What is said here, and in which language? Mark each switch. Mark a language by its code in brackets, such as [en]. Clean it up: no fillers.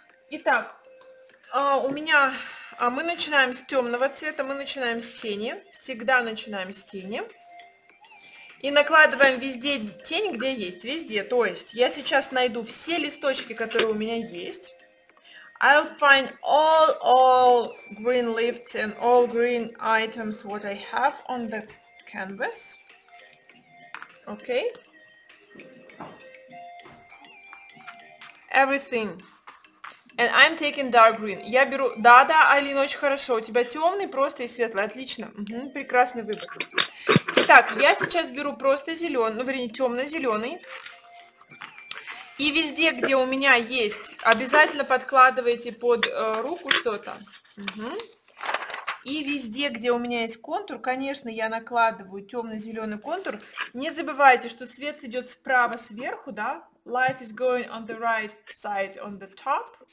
[ru] Итак, у меня... мы начинаем с темного цвета, мы начинаем с тени. Всегда начинаем с тени. И накладываем везде тень, где есть, везде. То есть я сейчас найду все листочки, которые у меня есть. [en] I'll find all green leaves and all green items what I have on the canvas. Okay. Everything. And I'm taking dark green. [ru] Я беру... Да-да, Алина, очень хорошо. У тебя темный, просто и светлый. Отлично. Угу, прекрасный выбор. Итак, я сейчас беру просто зеленый, ну, вернее, темно-зеленый. И везде, где у меня есть, обязательно подкладывайте под руку что-то. Угу. И везде, где у меня есть контур, конечно, я накладываю темно-зеленый контур. Не забывайте, что свет идет справа сверху, да? [en] Light is going on the right side on the top.